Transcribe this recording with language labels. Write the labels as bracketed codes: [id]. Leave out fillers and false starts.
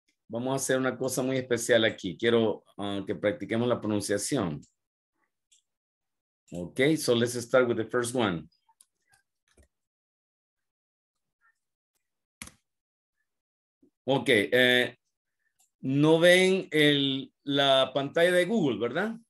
[es] Vamos a hacer una cosa muy especial aquí. Quiero que practiquemos la pronunciación. [en] Okay, so let's start with the first one. [es] Okay, no ven el la pantalla de Google, ¿verdad?